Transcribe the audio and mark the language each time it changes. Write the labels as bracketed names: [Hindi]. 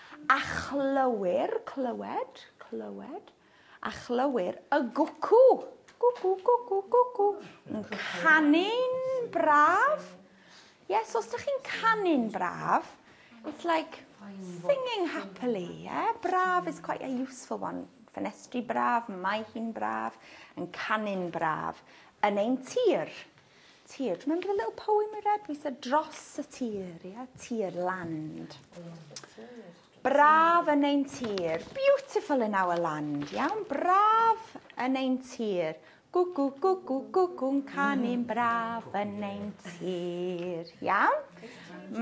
[Welsh] A chlywir, clywed. A chlywir, y gwcw. Gwcw, gwcw, gwcw. Canu'n braf. [English] Yes, [Welsh] os ydych chi'n canu'n braf, [English] it's like singing happily, yeah? Braf is quite a useful one. [Welsh] Ffenestri braf, mae hi'n braf, yn canu'n braf, yn ein tir. [English] Tir, do you remember the little poem we read? We said [Welsh] dros y tir, [English] yeah? Tir land. [Welsh] Braf yn ein tir, [English] beautiful in our land, [Welsh] iawn? Yeah? Braf yn ein tir, gwgw, gwgw, gwgw'n canu'n braf yn ein tir, iawn? Yeah?